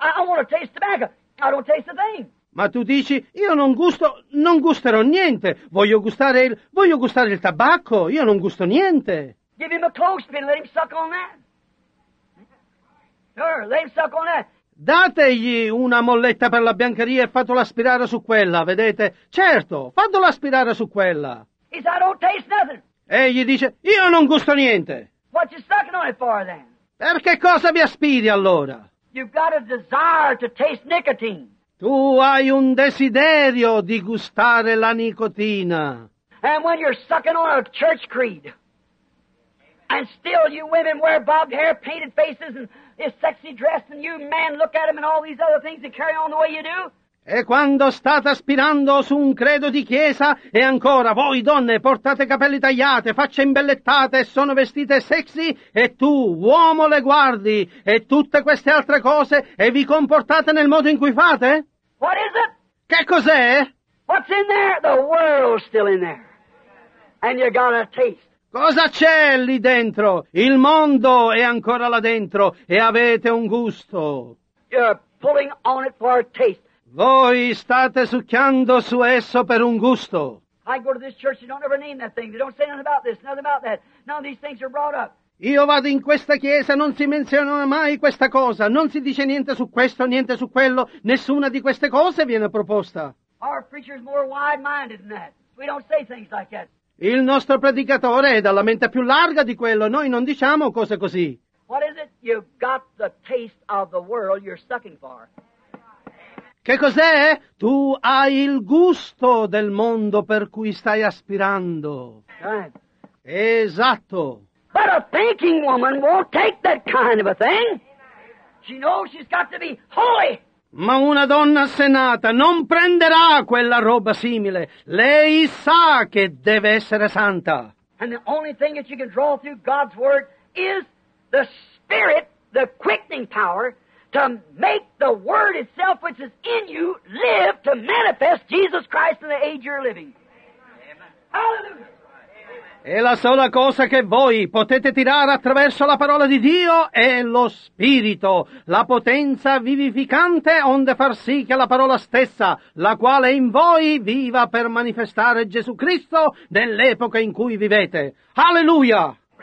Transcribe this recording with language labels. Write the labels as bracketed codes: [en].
[en] I want to taste tobacco. I don't taste a thing. [it] Ma tu dici, io non gusterò niente. Voglio gustare il tabacco. Io non gusto niente. [en] Give him a clothespin, let him suck on that. Sure, let him suck on that. [it] Dategli una molletta per la biancheria e fatelo aspirare su quella, vedete? Certo, fatelo aspirare su quella. [en] He said, I don't taste nothing. [it] E gli dice, io non gusto niente. [en] What you sucking on it for, then? [it] Perché cosa mi aspiri, allora? [en] You've got a desire to taste nicotine. [it] Tu hai un desiderio di gustare la nicotina. [en] And when you're sucking on a church creed, and still you women wear bobbed hair, painted faces, and is sexy dressed, and you men look at them and all these other things and carry on the way you do. [it] E quando state aspirando su un credo di chiesa, e ancora voi donne portate capelli tagliate, facce imbellettate, sono vestite sexy, e tu, uomo, le guardi, e tutte queste altre cose, e vi comportate nel modo in cui fate? [en] What is it? [it] Che cos'è? [en] What's in there? The world's still in there. And you got a taste. [it] Cosa c'è lì dentro? Il mondo è ancora là dentro e avete un gusto. [en] You're pulling on it for a taste. [it] Voi state succhiando su esso per un gusto. [en] I go to this church, you don't ever name that thing. They don't say nothing about this, nothing about that. None of these things are brought up. [it] Io vado in questa chiesa, non si menziona mai questa cosa. Non si dice niente su questo, niente su quello. Nessuna di queste cose viene proposta. [en] Our preacher is more wide-minded than that. We don't say things like that. [it] Il nostro predicatore è dalla mente più larga di quello. Noi non diciamo cose così. [en] What is it? You've got the taste of the world you're sucking for. [it] Che cos'è? Tu hai il gusto del mondo per cui stai aspirando. [en] Right. [it] Esatto. [en] But a thinking woman won't take that kind of a thing. She knows she's got to be holy. [it] Ma una donna assennata non prenderà quella roba simile. Lei sa che deve essere santa. [en] And the only thing that you can draw through God's word is the spirit, the quickening power, to make the word itself which is in you live to manifest Jesus Christ in the age you're living. Hallelujah! [it] E la sola cosa che voi potete tirare attraverso la parola di Dio è lo Spirito, la potenza vivificante onde far sì che la parola stessa, la quale è in voi, viva per manifestare Gesù Cristo nell'epoca in cui vivete. Alleluia!